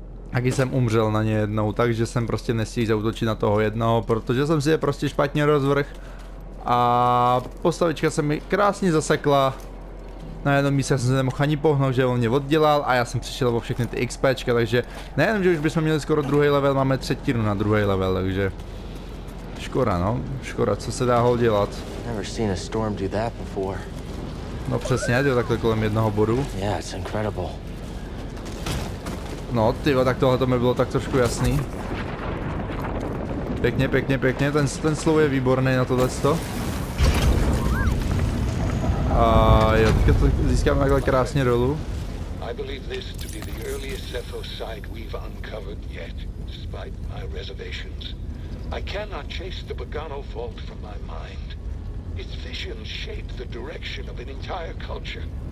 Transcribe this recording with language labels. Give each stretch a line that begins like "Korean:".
Czech: Taky jsem umřel na ně jednou, takže jsem prostě nestihl zautočit na toho jednoho, protože jsem si je prostě špatně rozvrh. A postavička se mi krásně zasekla. Na jednom místě jsem se nemohl ani pohnout, že on mě oddělal a já jsem přišel o všechny ty XPčka, takže nejenom, že už bychom měli skoro druhý level, máme třetinu na druhý level, takže... Škoda, no. Škoda, co se dá hol dělat.
English: Never seen a storm do that before.
Czech: No přesně, jo, takhle kolem jednoho bodu.
English: Yeah, it's incredible.
Czech: No, tyjo, tak tohle to mi bylo tak trošku jasný. Pěkně, pěkně, pěkně, ten slow je výborný na tohle sto. A jo, teďka to získáme takhle krásně dolů.
English: I believe this to be the earliest Zepho site we've uncovered yet, despite my reservations. I cannot chase the Pagano Vault from my mind. Its visions shape the direction of an entire culture.